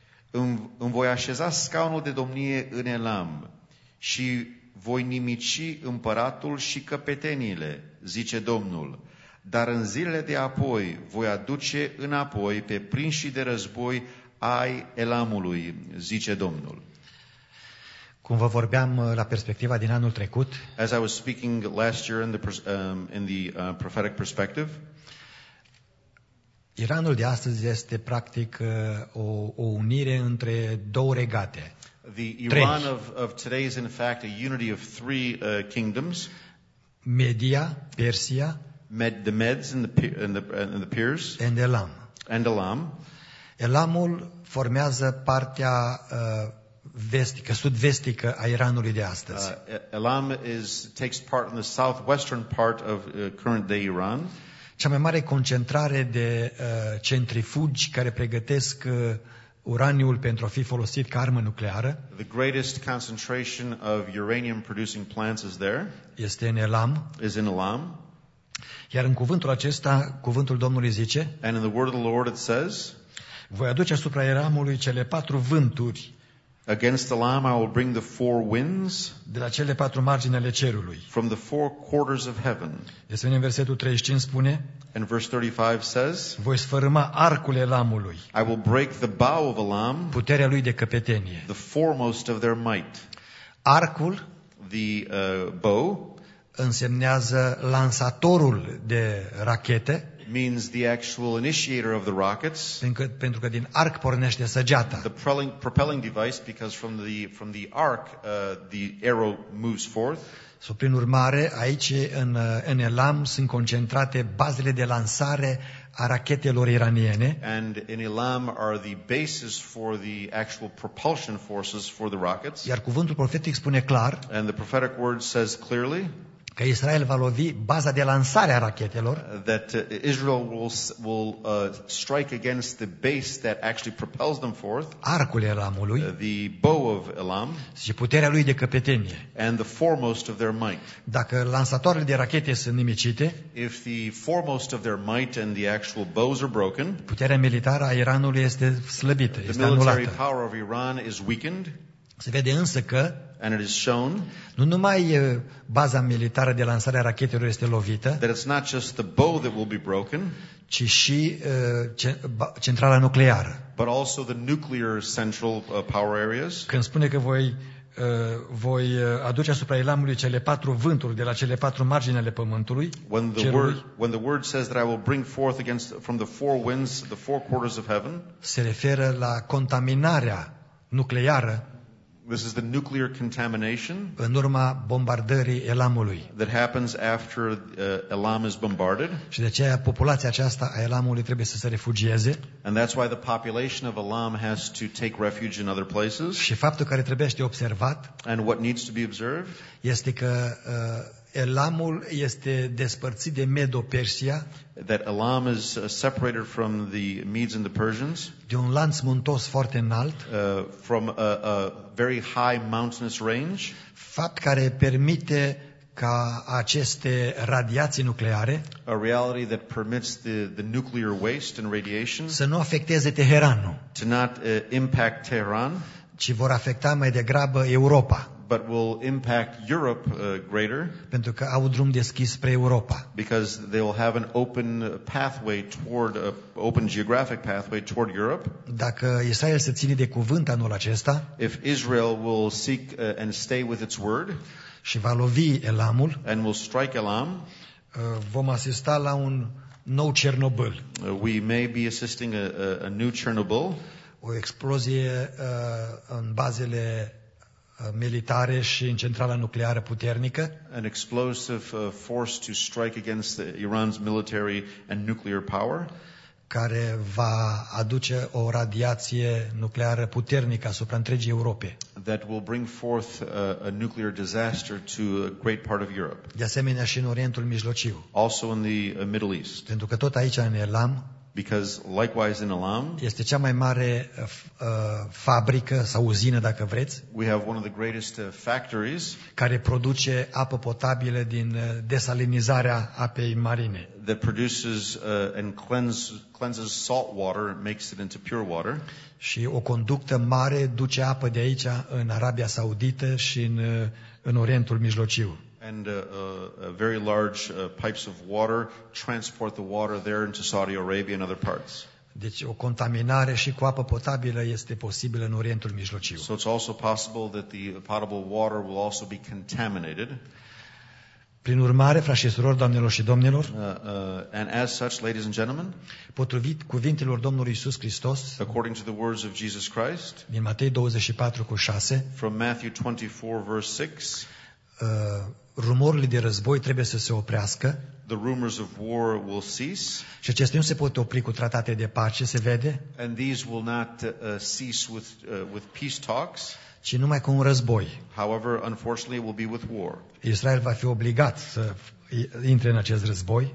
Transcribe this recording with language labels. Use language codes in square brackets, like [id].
[ro] Îmi voi așeza scaunul de domnie în Elam și voi nimici împăratul și căpetenile, zice Domnul, dar în zilele de apoi voi aduce înapoi pe prinșii de război ai Elamului, zice Domnul. Cum vă vorbeam la perspectiva din anul trecut, [en] as I was speaking last year in the prophetic perspective, [ro] Iranul de astăzi este practic o unire între două regate. [en] The Iran of today is in fact a unity of three kingdoms. [ro] Media, Persia, [en] the Medes and the Peers, and Elam. And Elam. [ro] Elamul formează partea vestică, sud-vestică a Iranului de astăzi. [en] Elam takes part in the southwestern part of current day Iran. [ro] Cea mai mare concentrare de centrifugi care pregătesc uraniul pentru a fi folosit ca armă nucleară. [en] The greatest concentration of uranium producing plants is there. [ro] Este în Elam. [en] Is in Elam. [ro] Iar în cuvântul acesta, cuvântul Domnului zice: [en] And in the word of the Lord it says, [ro] voi aduce asupra Elamului cele patru vânturi. [en] Against the Lamb, I will bring the four winds [ro] de la cele patru margini ale cerului. [en] From the four quarters of heaven. [ro] Este în versetul 35 spune. [en] And verse 35 says. [ro] Voi sfărâma arcul Elamului. [en] I will break the bow of Elam. [ro] Puterea lui de căpetenie. [en] The foremost of their might. [ro] Arcul. [en] The bow. [ro] Însemnează lansatorul de rachete. [en] Means the actual initiator of the rockets. [ro] Pentru că din arc pornește săgeata. [en] The propelling device, because from the arc the arrow moves forth. [ro] So, prin urmare, aici în Elam sunt concentrate bazele de lansare a rachetelor iraniene. [en] And in Elam are the bases for the actual propulsion forces for the rockets. [ro] Iar cuvântul profetic spune clar. [en] And the prophetic word says clearly. [ro] Că Israel va lovi baza de lansare a rachetelor. [en] That Israel will strike against the base that actually propels them forth. [ro] Arcul Elamului. [en] The bow of Elam. [ro] Și puterea lui de căpetenie. [en] And the foremost of their might. [ro] Dacă lansatoarele de rachete sunt nimicite. [en] If the foremost of their might and the actual bows are broken. [ro] Puterea militară a Iranului este slăbită, este anulată. [en] The military power of Iran is weakened. [ro] Se vede însă că. [en] And it is shown. [ro] Nu numai baza militară de lansare a rachetelor este lovită. [en] That it's not just the bow that will be broken. [ro] Ci și centrala nucleară. [en] But also the nuclear central power areas. [ro] Când spune că voi aduce asupra Elamului cele patru vânturi de la cele patru margini ale pământului. [en] When the word says that I will bring forth against from the four winds the four quarters of heaven. [ro] Se referă la contaminarea nucleară. [en] This is the nuclear contamination. [ro] În urma bombardării Elamului. [en] That happens after Elam is bombarded. [ro] Și de aceea populația aceasta a Elamului trebuie să se refugieze. [en] And that's why the population of Elam has to take refuge in other places. [ro] Și faptul care trebuie observat. [en] And what needs to be observed? [ro] Este că Elamul este despărțit de Medo-Persia. [en] That Elam is separated from the Medes and the Persians. [ro] De un lanț muntos foarte înalt. [en] From a very high mountainous range. [ro] Fapt care permite ca aceste radiații nucleare. [en] A reality that permits the nuclear waste and radiation. [ro] Să nu afecteze Teheranul. [en] To not impact Tehran. [ro] Ci vor afecta mai degrabă Europa. [en] But will impact Europe greater. [ro] Pentru că au drum deschis spre Europa. [en] Because they will have an open pathway toward a open geographic pathway toward Europe. [ro] Dacă Israel se ține de cuvânt anul acesta. [en] If Israel will seek and stay with its word. [ro] Și va lovi Elamul. [en] And will strike Elam. [ro] Vom asista la un nou Chernobyl. [en] We may be assisting a new Chernobyl. [ro] O explozie în bazele militare și în centrala nucleară puternică. [en] An explosive force to strike against Iran's military and nuclear power. [ro] Care va aduce o radiație nucleară puternică asupra întregii Europe. [en] That will bring forth a nuclear disaster to a great part of Europe. [ro] De asemenea și în Orientul Mijlociu. [en] Also in the Middle East. [ro] Pentru că tot aici în Elam. [en] Because likewise in Elam, [ro] este cea mai mare fabrică sau uzină, dacă vreți. [en] We have one of the greatest factories, [ro] care produce apă potabilă din desalinizarea apei marine. [en] That produces and cleanses salt water, makes it into pure water. [ro] Și o conductă mare duce apă de aici în Arabia Saudită și în Orientul Mijlociu. [en] And very large pipes of water transport the water there into Saudi Arabia and other parts. [ro] Deci o contaminare și cu apă potabilă este posibilă în Orientul Mijlociu. [en] So it's also possible that the potable water will also be contaminated. [ro] Prin urmare, frați și surori, doamnelor și domnilor, [en] and as such, ladies and gentlemen, [ro] potrivit cuvintelor Domnului Iisus Hristos, [en] according to the words of Jesus Christ, [ro] din Matei 24:6, [en] from Matthew 24:6, [ro] rumorile de război trebuie să se oprească. [en] The rumors of war will cease. [ro] Și acestea nu se pot opri cu tratate de pace, se vede. [en] And these will not cease with peace talks. [ro] Ci numai cu un război. [en] However, unfortunately, it will be with war. [ro] Israel va fi obligat să intre în acest război.